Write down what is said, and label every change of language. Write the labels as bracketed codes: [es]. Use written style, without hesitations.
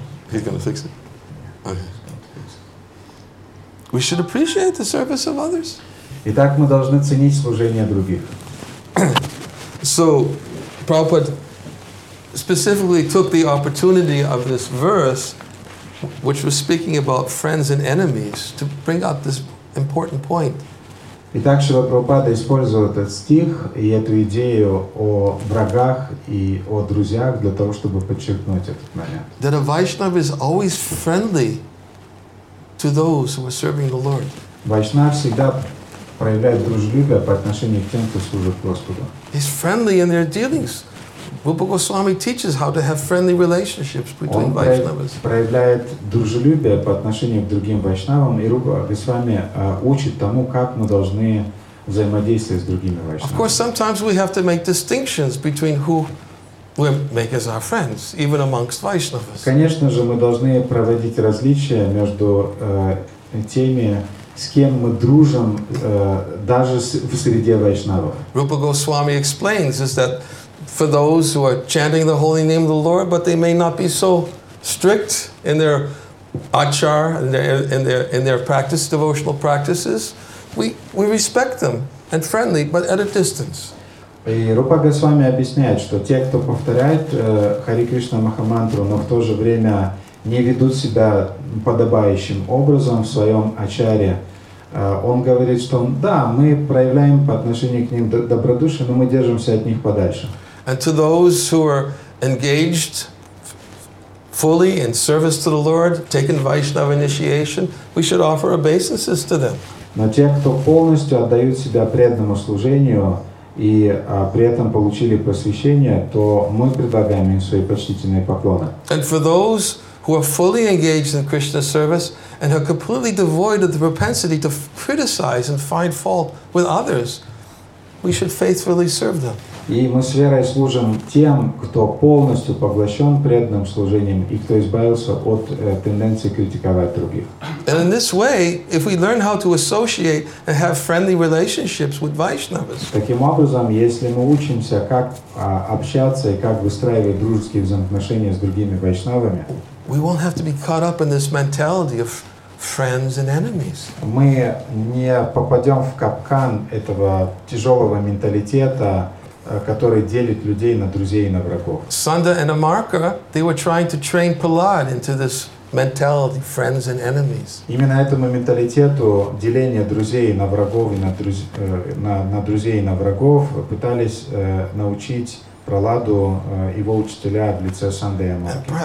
[en] He's gonna fix it. Okay. We should appreciate the service of others. [ru] Итак, мы должны ценить служение других. [en] So, Prabhupada specifically took the opportunity of this verse, which was speaking about friends and enemies, to bring up this important point. [ru] Итак, Шрила Прабхупада использовал этот стих и эту идею о врагах и о друзьях для того, чтобы подчеркнуть этот момент. [en] That a Vaishnava is always friendly to those who are serving the Lord. [ru] Вайшнав всегда проявляет дружелюбие по отношению к тем, кто служит Господу. [en] He's friendly in their dealings Rupa Goswami teaches how to have friendly relationships between Vaishnavas. [ru] Он проявляет дружелюбие по отношению к другим вайшнавам, и Рупа Госвами учит тому, как мы должны взаимодействовать с другими вайшнавами. [en] Of course, sometimes we have to make distinctions between who we make as our friends, even amongst Vaishnavas. [ru] Конечно же, мы должны проводить различия между теми, с кем мы дружим, даже в среде вайшнавов. [en] Rupa Goswami explains is that for those who are chanting the holy name of the Lord, but they may not be so strict in their achar, in their practice, devotional practices, we respect them and friendly, but at a distance. [ru] И Рупа Госвами объясняет, что те, кто повторяет Хари Кришна Махамантру, но в то же время не ведут себя подобающим образом в своем ачаре, он говорит, что да, мы проявляем по отношению к ним добродушие, но мы держимся от них подальше. [en] And to those who are engaged fully in service to the Lord, taking Vaishnava initiation, we should offer obeisances to them. [ru] Но те, кто полностью отдают себя преданному служению и при этом получили посвящение, то мы предлагаем им свои почтительные поклоны. [en] And for those who are fully engaged in Krishna service and are completely devoid of the propensity to criticize and find fault with others, we should faithfully serve them. [ru] И мы с верой служим тем, кто полностью поглощен преданным служением и кто избавился от тенденции критиковать других. [en] And in this way, if we learn how to associate and have friendly relationships with Vaishnavas, [ru] таким образом, если мы учимся, как общаться и как выстраивать дружеские взаимоотношения с другими вайшнавами, [en] we won't have to be caught up in this mentality of friends and enemies. [ru] Мы не попадем в капкан этого тяжелого менталитета, который делит людей на друзей и на врагов. [en] Sunda and Amarka, they were trying to train Prahlad into this mentality, friends and enemies. [ru] Именно этому менталитету деления друзей на врагов и на друзей и на врагов пытались научить Праладу его учителя в лице Санды и Амарки.